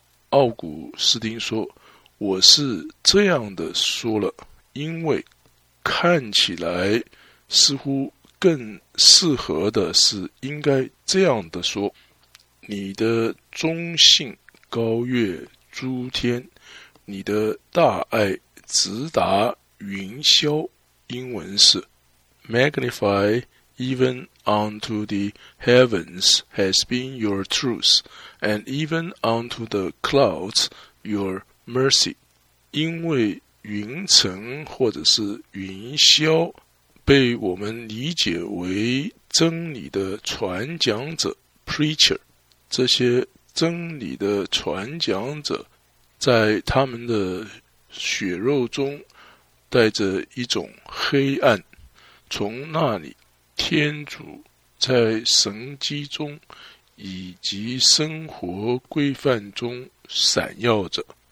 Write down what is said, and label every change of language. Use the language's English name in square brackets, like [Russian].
[Chinese] 奥古斯丁说，我是这样的说了，因为看起来似乎更适合的是应该这样的说，你的忠信高越诸天，你的大爱直达云霄。英文是 [English] Magnify even unto the heavens has been your truth, and even unto the clouds your mercy. [Chinese] 因为云层或者是云霄被我们理解为真理的传讲者 preacher， 这些真理的传讲者在他们的血肉中带着一种黑暗，从那里天主在神迹中以及生活规范中闪耀着。